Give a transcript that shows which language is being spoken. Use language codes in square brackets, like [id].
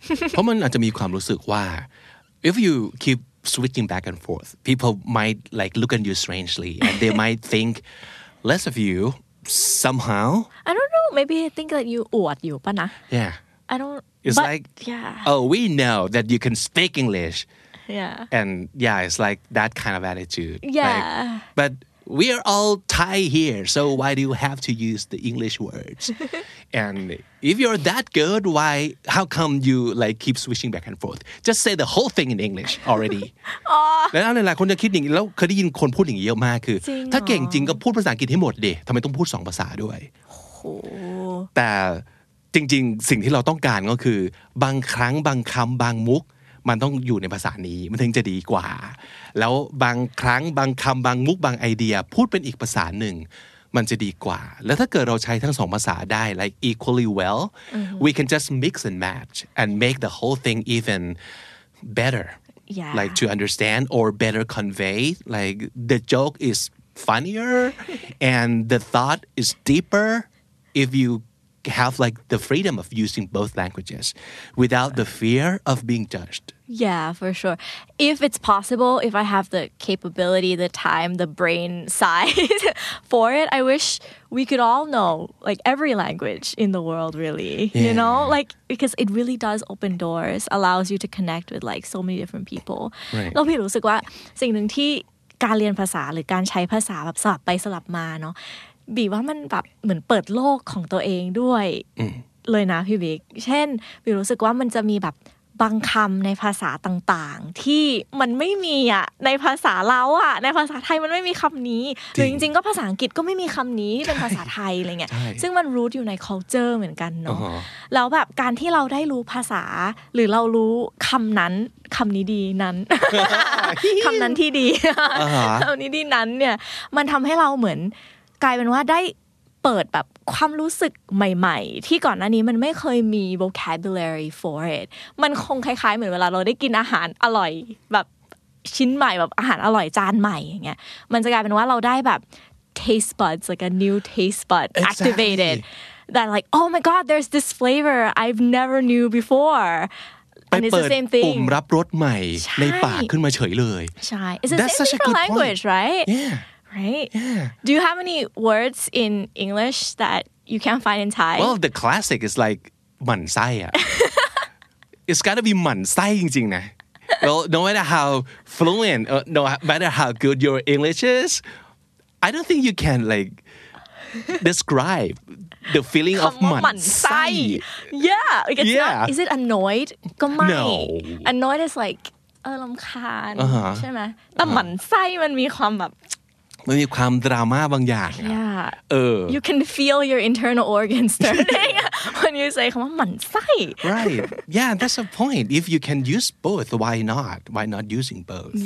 [th] เพราะมันอาจจะมีความรู้สึกว่า [en] if you keep switching back and forth. People might like look at you strangely, and they might think less of you somehow. I don't know. Maybe they think that you uwat you, but nah. Yeah. I don't. It's like, yeah. Oh, we know that you can speak English. Yeah. And yeah, it's like that kind of attitude. Yeah. Like, but we are all Thai here, so why do you have to use the English words? And if you're that good, why, how come you like keep switching back and forth? Just say the whole thing in English already. Oh. [th] แล้วอะไรล่ะคนจะคิดอย่างนี้แล้วเคยได้ยินคนพูดอย่างนี้เยอะมากคือถ้าเก่งจริงก็พูดภาษาอังกฤษให้หมดดิทำไมต้องพูดสองภาษาด้วย โ หแต่จริงๆสิ่งที่เราต้องการก็คือบางครั้งบางคำบางมุกมันต้องอยู่ในภาษานี้มันถึงจะดีกว่าแล้วบางครั้งบางคำบางมุกบางไอเดียพูดเป็นอีกภาษาหนึ่งมันจะดีกว่าแล้วถ้าเกิดเราใช้ทั้งสองภาษาได้ [en] like equally well mm-hmm. we can just mix and match and make the whole thing even better yeah. like to understand or better convey like the joke is funnier and the thought is deeper if youhave like the freedom of using both languages without the fear of being judged. Yeah, for sure. If it's possible, if I have the capability, the time, the brain size for it, I wish we could all know like every language in the world really, yeah. you know, like because it really does open doors, allows you to connect with like so many different people. Right. [th] แล้วพี่รู้สึกว่าสิ่งหนึ่งที่การเรียนภาษาหรือการใช้ภาษาแบบสลับไปสลับมาเนาะบีว่ามันแบบเหมือนเปิดโลกของตัวเองด้วยเลยนะพี่บีเช่นบีรู้สึกว่ามันจะมีแบบบางคำในภาษาต่างๆที่มันไม่มีอ่ะในภาษาเราอ่ะในภาษาไทยมันไม่มีคำนี้หรือจริงๆก็ภาษาอังกฤษก็ไม่มีคำนี้ที่เป็นภาษาไทยอะไรเงี้ยซึ่งมันรูทอยู่ใน culture เหมือนกันเน า ะแล้วแบบการที่เราได้รู้ภาษาหรือเรารู้คำนั้นคำนี้ดีนั้นคำนั้นที่ดีคำนี้ดีนั้นเนี่ยมันทำให้เราเหมือนกลายเป็นว่าได้เปิดแบบความรู้สึกใหม่ๆที่ก่อนหน้านี้มันไม่เคยมี [en] vocabulary for it [th] มันคงคล้ายๆเหมือนเวลาเราได้กินอาหารอร่อยแบบชิ้นใหม่แบบอาหารอร่อยจานใหม่อย่างเงี้ยมันจะกลายเป็นว่าเราได้แบบ [en] taste buds like a new taste bud activated exactly. that like oh my god there's this flavor I've never knew beforeand it's the same thing [th] ปุ่มรับรสใหม่ในปากขึ้นมาเฉยเลย ใช่ [en] it's the same thing for language point. right yeah Right? Yeah. Do you have any words in English that you can't find in Thai? Well, the classic is like "man sai." It's got to be "man sai" [th] จริงๆ นะ [en] Well, no matter how fluent, no matter how good your English is, I don't think you can like describe the feeling of "man sai." Yeah. Like it's yeah. Not, is it annoyed? Go mai. No. Annoyed is like [th] รำคาญใช่ไหม แต่ "man sai" มันมีความแบบ มันมีความดราม่าบางอย่างเออ [en] you can feel your internal organs turning when you say [th] คำว่าหมั่นไส้ [en] right yeah that's a point if you can use both why not using both